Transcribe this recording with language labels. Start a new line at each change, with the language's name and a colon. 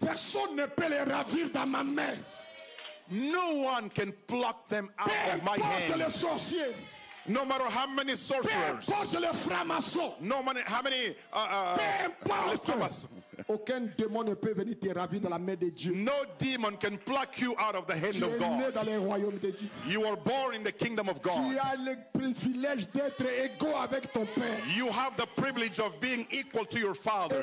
French: Personne ne peut les ravir dans ma main.
English: No one can pluck them out of my hand.
French: Peu importe les sorciers.
English: No matter how many sorcerers.
French: Peu importe les francs-maçons.
English: No matter how many lifters.
French: Aucun démon ne peut venir te ravir dans la main de Dieu.
English: No demon can pluck you out of the hand of God.
French: Tu es né dans le royaume de Dieu.
English: You are born in the kingdom of God.
French: Tu as le privilège d'être égaux avec ton père.
English: You have the privilege of being equal to your father.